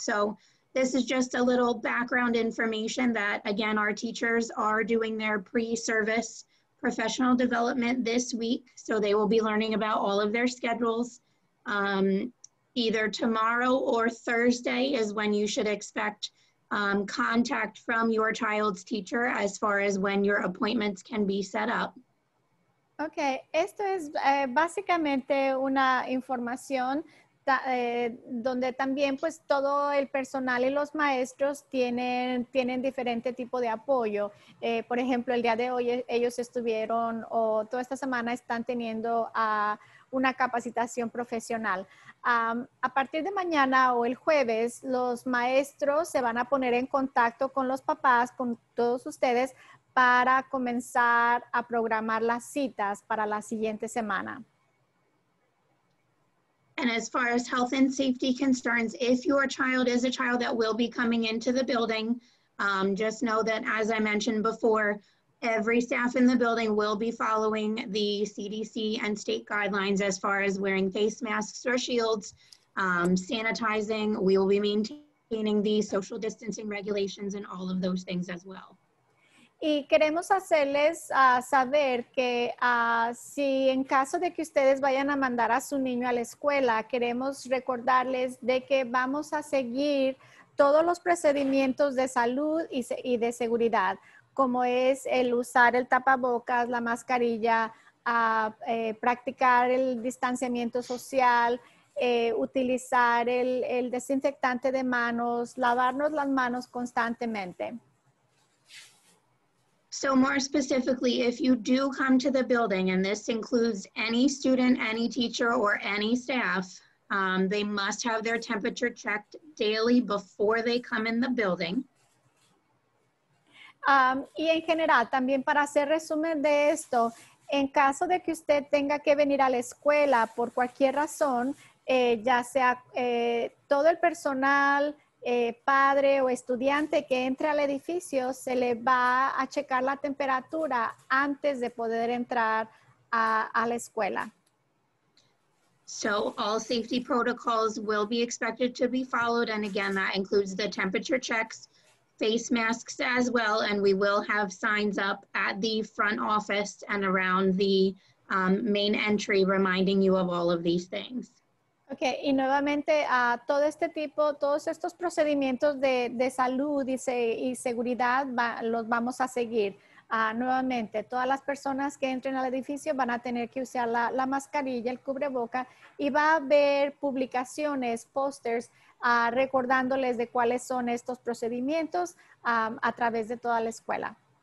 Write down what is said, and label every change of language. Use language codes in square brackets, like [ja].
[en] So this is just a little background information that, again, our teachers are doing their pre-service professional development this week, so they will be learning about all of their schedules. Either tomorrow or Thursday is when you should expect contact from your child's teacher as far as when your appointments can be set up. [es] Okay, esto es básicamente una información donde también pues todo el personal y los maestros tienen diferente tipo de apoyo. Por ejemplo, el día de hoy ellos estuvieron o toda esta semana están teniendo una capacitación profesional. A partir de mañana o el jueves, los maestros se van a poner en contacto con los papás, con todos ustedes, para comenzar a programar las citas para la siguiente semana. [en] And as far as health and safety concerns, if your child is a child that will be coming into the building, just know that, as I mentioned before, every staff in the building will be following the CDC and state guidelines as far as wearing face masks or shields, sanitizing. We will be maintaining the social distancing regulations and all of those things as well. [es] Y queremos hacerles saber que si en caso de que ustedes vayan a mandar a su niño a la escuela, queremos recordarles de que vamos a seguir todos los procedimientos de salud y de seguridad, como es el usar el tapabocas, la mascarilla, practicar el distanciamiento social, utilizar el desinfectante de manos, lavarnos las manos constantemente. [en] So more specifically, if you do come to the building, and this includes any student, any teacher, or any staff, they must have their temperature checked daily before they come in the building. [es] Y en general, también para hacer resumen de esto, en caso de que usted tenga que venir a la escuela por cualquier razón, ya sea todo el personal, padre o estudiante que entre al edificio, se le va a checar la temperatura antes de poder entrar a la escuela. [en] So all safety protocols will be expected to be followed, and again, that includes the temperature checks, face masks as well, and we will have signs up at the front office and around the main entry reminding you of all of these things. [es] Okay, y nuevamente todo este tipo, todos estos procedimientos de salud y seguridad los vamos a seguir. Nuevamente, todas las personas que entren al edificio van a tener que usar la mascarilla, el cubreboca, y va a haber publicaciones, posters, recordándoles de cuáles son estos procedimientos a través de toda la escuela.